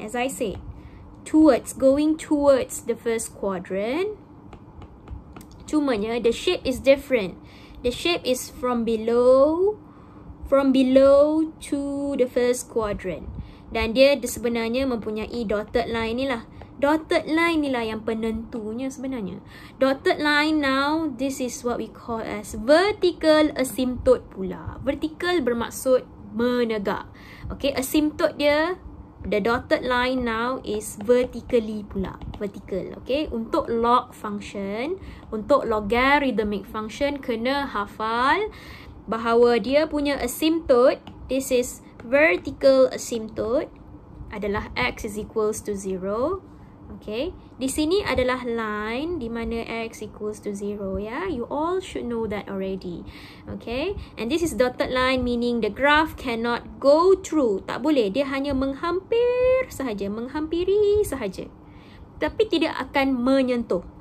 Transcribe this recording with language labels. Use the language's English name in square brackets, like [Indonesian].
[English] As I said, towards, going towards the first quadrant. [Malay] Cumanya, [English] the shape is different. The shape is from below to the first quadrant. [Malay] Dan dia sebenarnya mempunyai dotted line ni lah. Dotted line ni lah yang penentunya sebenarnya. [English] Dotted line now, this is what we call as vertical asymptote pula. Vertical [Malay] bermaksud menegak. [English] Okay, asymptote dia, the dotted line now is vertically pula. Vertical, okay. [Malay] Untuk log function, untuk logarithmic function, kena hafal bahawa dia punya asymptote, [English] this is vertical asymptote, [Malay] adalah x is equals to 0. Okay, di sini adalah line di mana x equals to 0, yeah? [English] You all should know that already. Okay, and this is dotted line meaning the graph cannot go through. [Malay] Tak boleh, dia hanya menghampir sahaja, menghampiri sahaja. Tapi tidak akan menyentuh.